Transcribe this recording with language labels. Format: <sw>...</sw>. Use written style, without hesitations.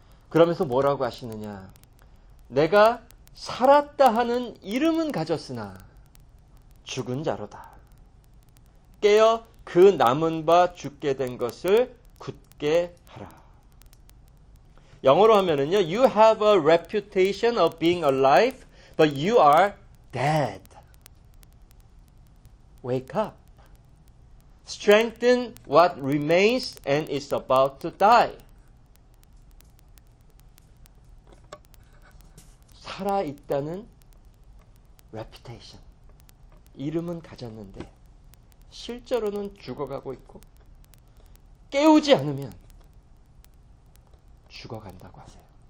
<ko>그러면서 뭐라고 하시느냐. 내가 살았다 하는 이름은 가졌으나 죽은 자로다. 깨어 그 남은 바 죽게 된 것을 굳게 하라. 영어로 하면은요,</ko> <en>You have a reputation of being alive, but you are dead. Wake up. Strengthen what remains and is about to die.</en> <ko>살아있다는 reputation, 이름은 가졌는데 실제로는 죽어가고 있고 깨우지 않으면 죽어간다고 하세요.</ko>